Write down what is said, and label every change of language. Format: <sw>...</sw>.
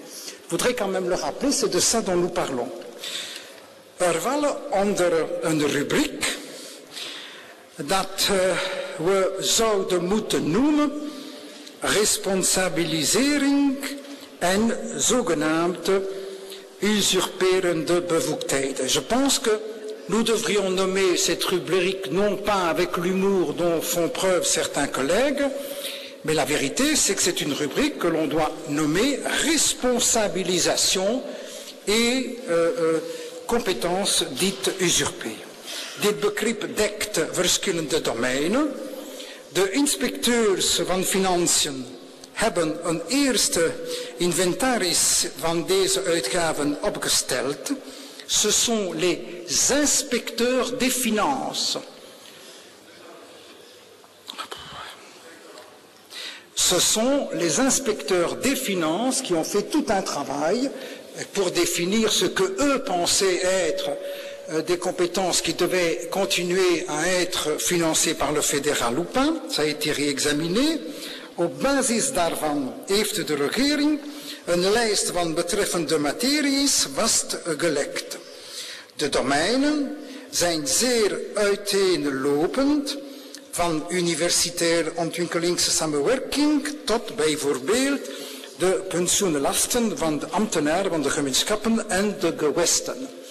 <fr>Je voudrais quand même le rappeler, c'est de ça dont nous parlons.</fr> <nl>Er vallen onder een rubriek dat we zouden moeten noemen responsabilisering en zogenaamde usurperende bevoegdheden.</nl> <fr>Je pense que nous devrions nommer cette rubrique non pas avec l'humour dont font preuve certains collègues, mais la vérité c'est que c'est une rubrique que l'on doit nommer responsabilisation et compétences dites usurpées.</fr> <nl>Dit begrip dekt verschillende domeinen. De inspecteurs van financiën hebben een eerste inventaris van deze uitgaven opgesteld.</nl> <fr>Ce sont les inspecteurs des finances. Ce sont les inspecteurs des finances qui ont fait tout un travail pour définir ce que eux pensaient être des compétences qui devaient continuer à être financées par le fédéral ou pas. Ça a été réexaminé.</fr> <nl>Au basis daarvan heeft de regering een lijst van betreffende materies vastgelegd. De domeinen zijn zeer uiteenlopend, van universitaire ontwikkelingssamenwerking tot bijvoorbeeld de pensioenlasten van de ambtenaren van de gemeenschappen en de gewesten.</nl>